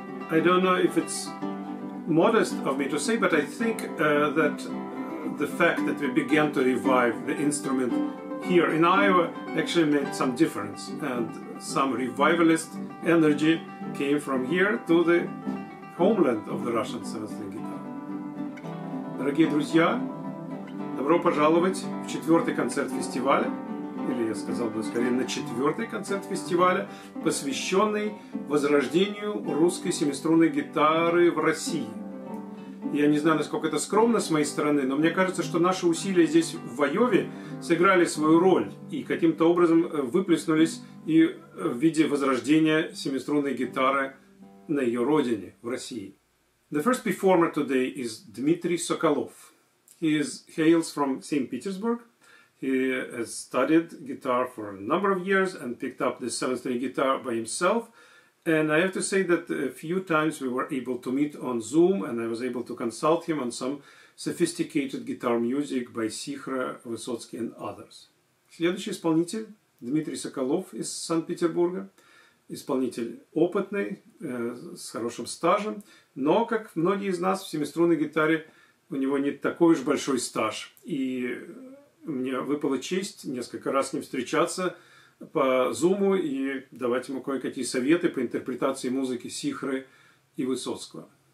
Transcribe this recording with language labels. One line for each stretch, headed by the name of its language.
English: I don't know if it's modest of me to say, but I think that the fact that we began to revive the instrument here in Iowa actually made some difference, and some revivalist energy came from here to the homeland of the Russian seven-string guitar.
Russian: Дорогие друзья, добро пожаловать в четвертый концерт фестиваля, или я сказал бы скорее на четвертый концерт фестиваля, посвященный возрождению русской семиструнной гитары в России. Я не знаю, насколько это скромно с моей стороны, но мне кажется, что наши усилия здесь, в Айове, сыграли свою роль и каким-то образом выплеснулись и в виде возрождения семиструнной гитары на ее родине, в России.
English: The first performer today is Dmitry Sokolov. He hails from St. Petersburg. He has studied guitar for a number of years and picked up the seven-string guitar by himself. And I have to say that a few times we were able to meet on Zoom, and I was able to consult him on some sophisticated guitar music by Sikhra, Высоцкий and others.
Russian: Следующий исполнитель, Дмитрий Соколов из Санкт-Петербурга. Исполнитель опытный, с хорошим стажем, но, как многие из нас, в семиструнной гитаре у него не такой уж большой стаж. И мне выпала честь несколько раз с ним встречаться по Зуму и давать ему кое-какие советы по интерпретации музыки Сихры и Высоцкого.